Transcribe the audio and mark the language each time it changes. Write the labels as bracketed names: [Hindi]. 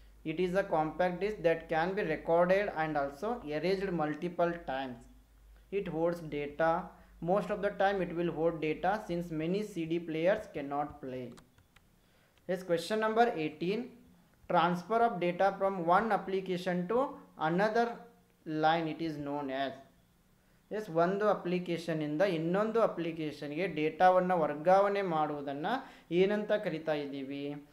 [English] It is a compact disc that can be recorded and also erased multiple times. It holds data. Most of the time it will hold data since many CD players cannot play. Yes, question number 18. Transfer of data from one application to another line, it is known as. [Kannada] Yes, ಒಂದು application ಇಂದ ಇನ್ನೊಂದು ಅಪ್ಲಿಕೇಶನ್ಗೆ ಡೇಟಾವನ್ನು ವರ್ಗಾವಣೆ ಮಾಡುವುದನ್ನು ಏನಂತ ಕರಿತಾ ಇದ್ದೀವಿ?